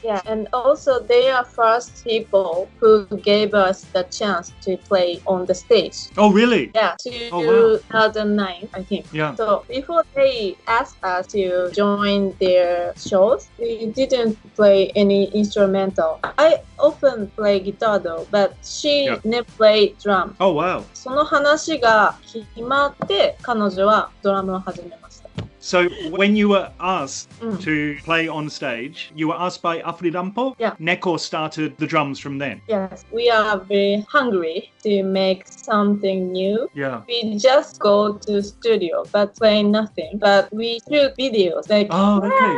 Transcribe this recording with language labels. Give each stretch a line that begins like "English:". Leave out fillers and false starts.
English: Yeah, and also they are first people who gave us the chance to play on the stage. Oh, really? Yeah, 2009, I think. Yeah. So before they asked us to join their shows, we didn't play any instrumental. I often play guitar though, but she never played drum. Oh wow.
Japanese: その話が決まって彼女はドラムを始めました。
English: So when you were asked to play on stage, you were asked by Afrirampo? Yeah. Neko started the drums from then? Yes. We are very hungry to make something new. Yeah. We just go to studio but play nothing. But we shoot videos. Like,